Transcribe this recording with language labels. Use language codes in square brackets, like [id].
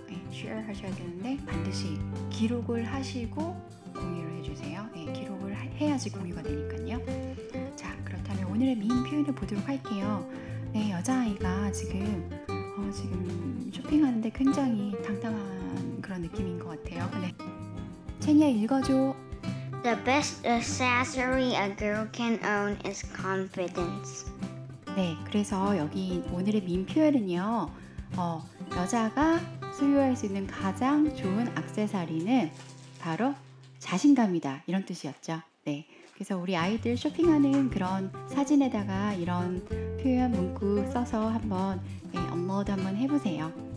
[ko] 네, share 하셔야 되는데 반드시 기록을 하시고 공유를 해주세요. 네, 기록을 해야지 공유가 되니까요. 자, 그렇다면 오늘의 미인 표현을 보도록 할게요. 네, 여자아이가 지금 쇼핑하는데 굉장히 당당한 그런 느낌인 것 같아요. 네. 체니야, 읽어줘. [en] The best accessory a girl can own is confidence. [ko] 네, 그래서 여기 오늘의 민 표현은요. 여자가 소유할 수 있는 가장 좋은 액세서리는 바로 자신감이다. 이런 뜻이었죠. 네. 그래서 우리 아이들 쇼핑하는 그런 사진에다가 이런 표현 문구 써서 한번 업로드 한번 해보세요.